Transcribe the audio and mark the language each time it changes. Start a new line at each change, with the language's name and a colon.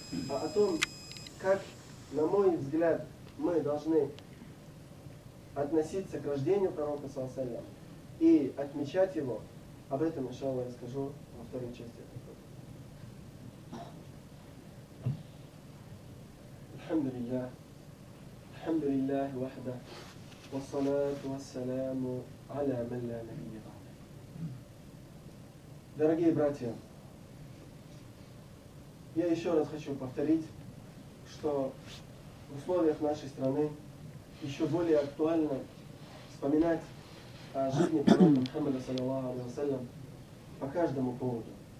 Russian: А о том, как, на мой взгляд, мы должны относиться к рождению пророка, саллаллаху алейхи ва саллям, и отмечать его, об этом, иншаллах, я скажу во второй части.
Arabic: الحمد لله الحمد لله وحده والصلاة والسلام على من لا نبي بعده.
Russian: Дорогие братья, я еще раз хочу повторить, что в условиях нашей страны еще более актуально вспоминать о жизни пророка Мухаммада саллаллаху алейхи ва саллям по каждому поводу.